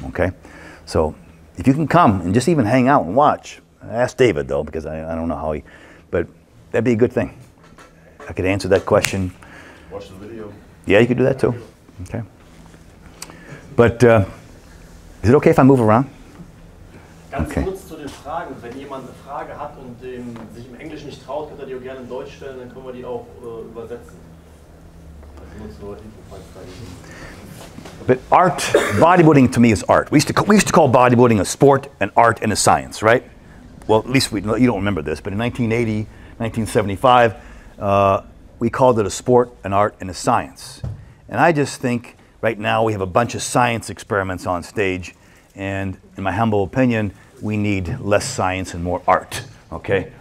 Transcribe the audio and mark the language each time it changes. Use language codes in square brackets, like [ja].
[en] Okay, so if you can come and just even hang out and watch, ask David though, because I don't know how he, but that'd be a good thing. I could answer that question. Watch the video. Yeah, you could do that too. Okay. But is it okay if I move around? [de] Ganz okay. Kurz zu den Fragen. Wenn jemand eine Frage hat und dem sich im Englischen nicht traut, könnte er die auch gerne in Deutsch stellen, dann können wir die auch übersetzen. Also nur zur Info, falls da jemand [en] But art, bodybuilding to me is art. We used to call bodybuilding a sport, an art, and a science, right? Well, at least you don't remember this, but in 1980, 1975, we called it a sport, an art, and a science. And I just think right now we have a bunch of science experiments on stage, and in my humble opinion, we need less science and more art, okay?